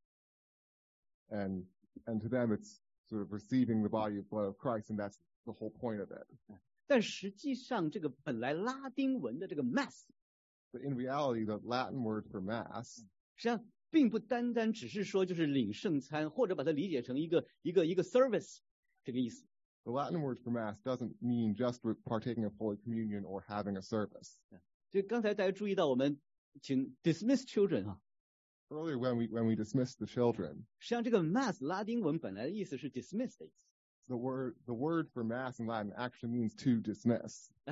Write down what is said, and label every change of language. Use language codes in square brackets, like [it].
[zh] 就完全是这样一个圣礼推动的。 [en] And to them, it's sort of receiving the body and blood of Christ, and that's the whole point of it. [zh] 但实际上这个本来拉丁文的这个 Mass, [en] but in reality, the Latin word for Mass, [zh] 实际上并不单单只是说就是领圣餐,或者把它理解成一个 service 这个意思。 [en] The Latin word for Mass doesn't mean just partaking of Holy Communion or having a service. [zh] 就刚才大家注意到我们请 [en] dismiss children [zh] 啊。 [en] Earlier when we dismissed the children. [zh] 实际上这个 Mass 拉丁文本来的意思是 dismiss 的意思。 [en] The word for Mass in Latin actually means to dismiss.